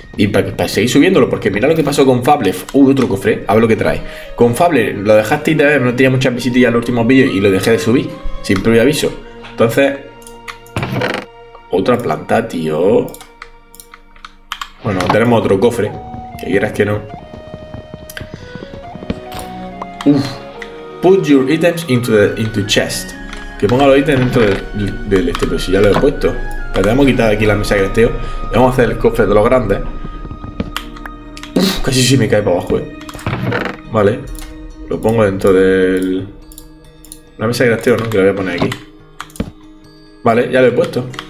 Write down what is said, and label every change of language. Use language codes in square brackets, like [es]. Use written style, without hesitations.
[es] Y para seguir subiéndolo, porque mirad lo que pasó con Fable. Otro cofre, a ver lo que trae. Con Fable lo dejaste y de ver, no tenía muchas visitas ya en los últimos vídeos y lo dejé de subir. Sin previo aviso. Entonces, otra planta, tío. Bueno, tenemos otro cofre. Que quieras que no. Uf. [en] Put your items into chest. [es] Que ponga los ítems dentro del este, pero si ya lo he puesto. Pero tenemos que quitar aquí la mesa de crafteo. Y vamos a hacer el cofre de los grandes. Casi sí me cae para abajo, ¿eh? Vale. Lo pongo dentro del... La mesa de crafteo, ¿no? Que la voy a poner aquí. Vale, ya lo he puesto.